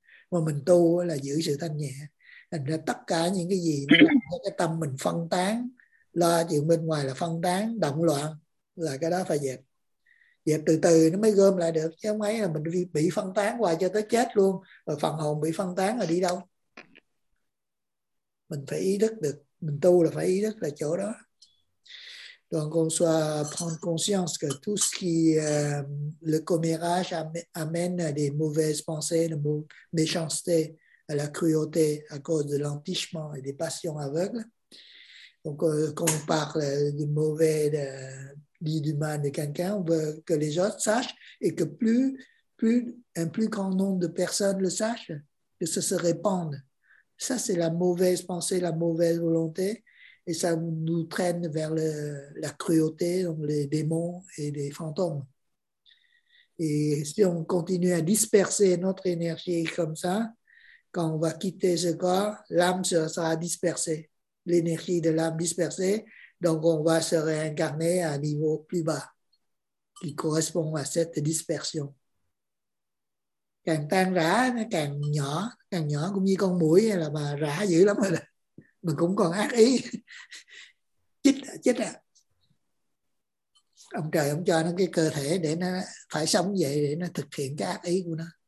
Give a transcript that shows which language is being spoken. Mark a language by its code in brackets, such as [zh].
[vi] Mà mình tu là giữ sự thanh nhẹ. Thành ra tất cả những cái gì nó cái tâm mình phân tán, lo chuyện bên ngoài là phân tán, động loạn, là cái đó phải dẹp. Dẹp từ từ nó mới gom lại được. Chứ không ấy là mình bị phân tán hoài cho tới chết luôn. Rồi phần hồn bị phân tán là đi đâu? Mình phải ý thức được. Mình tu là phải ý thức là chỗ đó. [fr] Donc on soit prendre conscience que tout ce qui le commérage amène des mauvaises pensées, de méchanceté, à la cruauté à cause de l'entichement et des passions aveugles. Donc quand on parle du mauvais, du mal de quelqu'un, on veut que les autres sachent et que plus grand nombre de personnes le sachent, que ça se répande. Ça c'est la mauvaise pensée, la mauvaise volonté. Et ça nous traîne vers la cruauté, donc les démons et les fantômes. Et si on continue à disperser notre énergie comme ça, quand on va quitter ce corps, l'âme sera dispersée, l'énergie de l'âme dispersée, donc on va se réincarner à un niveau plus bas, qui correspond à cette dispersion. [vi] Càng tan rã, nó càng nhỏ cũng như con muỗi là mà rã dữ lắm rồi. Mình cũng còn ác ý. Chích à. Ông trời ông cho nó cái cơ thể để nó phải sống vậy, để nó thực hiện cái ác ý của nó.